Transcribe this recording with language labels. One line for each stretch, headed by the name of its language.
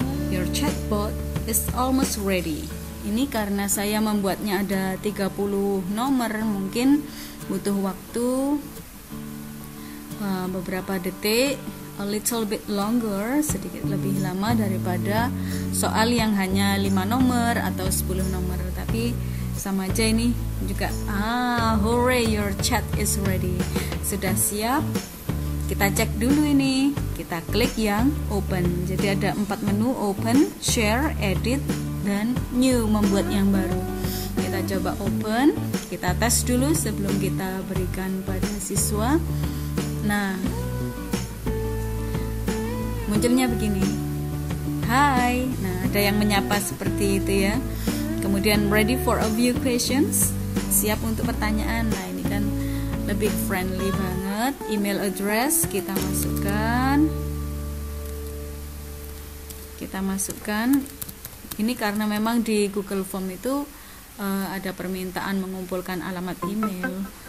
English: Your chatbot is almost ready.
Indonesian: Ini karena saya membuatnya ada 30 nomor, mungkin butuh waktu beberapa detik.
English: A little bit longer,
Indonesian: sedikit lebih lama daripada soal yang hanya 5 nomor atau 10 nomor. Tapi sama aja ini juga.
English: Hooray, your chat is ready.
Indonesian: Sudah siap. Kita cek dulu ini. Kita klik yang open. Jadi ada 4 menu: open, share, edit, dan new, membuat yang baru. Kita coba open. Kita tes dulu sebelum kita berikan pada siswa. Nah, munculnya begini. Hai. Nah, ada yang menyapa seperti itu ya. Kemudian
English: ready for a view questions?
Indonesian: Siap untuk pertanyaan. Nah, ini kan lebih friendly banget. Email address kita masukkan. Kita masukkan ini karena memang di Google Form itu ada permintaan mengumpulkan alamat email.